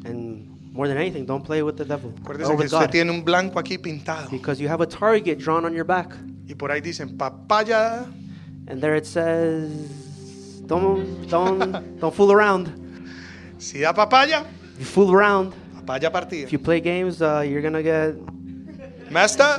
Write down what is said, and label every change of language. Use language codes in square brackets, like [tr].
[en] And more than anything, don't play with the devil. [es] Acuérdese que usted tiene un blanco aquí pintado. [en] Because you have a target drawn on your back. [es] Y por ahí dicen papaya. [en] And there it says, don't fool around. [es] Si da papaya. [en] If you fool around. [es] Papaya partida. [en] If you play games, you're gonna get messed up.